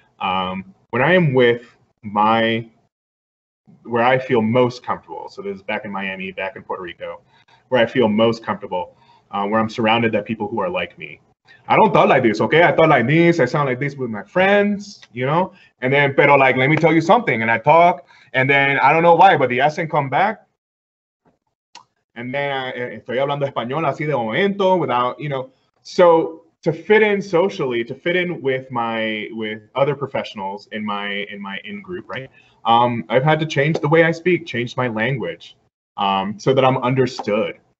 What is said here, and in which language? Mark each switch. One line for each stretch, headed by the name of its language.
English: When I am with where I feel most comfortable, so this is back in Miami, back in Puerto Rico, where I feel most comfortable, where I'm surrounded by people who are like me. I don't talk like this, okay? I talk like this, I sound like this with my friends, you know? And then, pero like, let me tell you something, and I talk, and then I don't know why, but the accent come back. And then
Spanish: estoy hablando español así de momento
English: without, you know? So to fit in socially, to fit in with other professionals in my in-group, right? I've had to change the way I speak, change my language so that I'm understood.